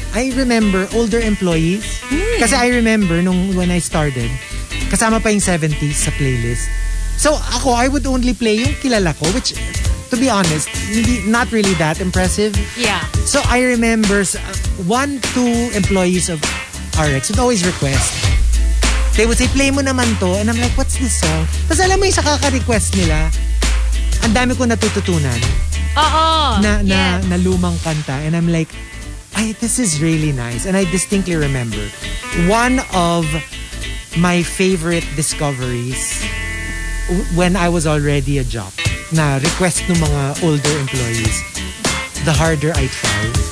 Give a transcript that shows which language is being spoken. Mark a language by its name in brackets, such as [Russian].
[English] I remember older employees. Kasi I remember nung when I started, [Filipino] kasama pa yung 70s sa playlist. [English] So ako, I would only play [Filipino] yung kilala ko, [English] which, to be honest, hindi, not really that impressive. Yeah. So I remember one, two employees of RX would always request. They would say, play [Filipino] mo naman to. [English] And I'm like, what's this song? [Filipino] Tapos alam mo yung sa kaka-request nila, ang dami ko natututunan. Uh-oh. Na lumang kanta. [English] And I'm like, this is really nice. And I distinctly remember one of my favorite discoveries when I was already a jock [Filipino] na request ng mga [English] older employees, The Harder I Try.